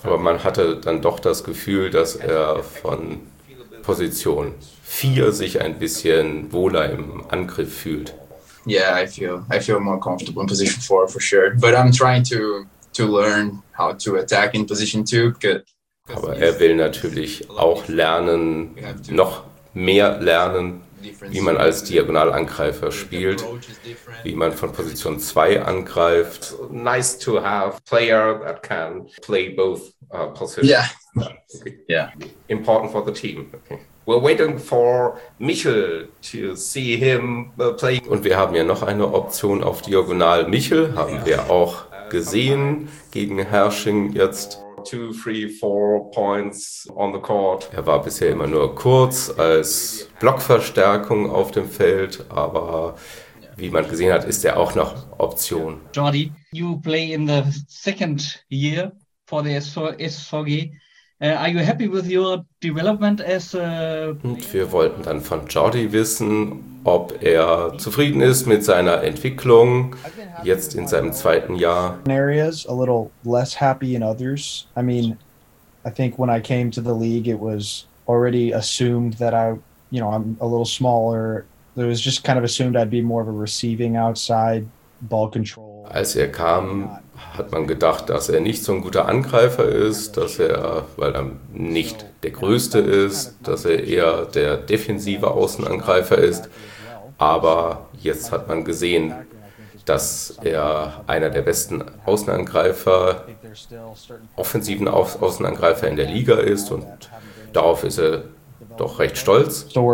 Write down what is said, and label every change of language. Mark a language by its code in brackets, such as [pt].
[de] Aber man hatte dann doch das Gefühl, dass er von Position 4 sich ein bisschen wohler im Angriff fühlt. [en] Yeah, I feel more comfortable in position 4 for sure, but I'm trying to learn how to attack in position 2. [de] Aber er will natürlich auch lernen, noch mehr lernen, wie man als Diagonalangreifer spielt, wie man von Position 2 angreift. [en] Nice to have player that can play both positions. Yeah. Okay. Yeah. Important for the team. Okay. We're waiting for Michel to see him playing. [de] Und wir haben ja noch eine Option auf Diagonal. Michel haben wir auch gesehen gegen Herrsching jetzt. [en] 2, 3, 4 points on the court. [de] Er war bisher immer nur kurz als Blockverstärkung auf dem Feld, aber wie man gesehen hat, ist er auch noch Option. [en] Jordi, you play in the second year for the SVG. Are you happy with your development as a... [de] Und wir wollten dann von Jordi wissen, ob er zufrieden ist mit seiner Entwicklung jetzt in seinem zweiten Jahr. [en] In areas a little less happy in others. I mean, I think when I came to the league, it was already assumed that I'm a little smaller. It was just kind of assumed I'd be more of a receiving outside ball control. [de] Als er kam, hat man gedacht, dass er nicht so ein guter Angreifer ist, dass er, weil er nicht der Größte ist, dass er eher der defensive Außenangreifer ist. Aber jetzt hat man gesehen, dass er einer der besten Außenangreifer, offensiven Außenangreifer in der Liga ist, und darauf ist er doch recht stolz.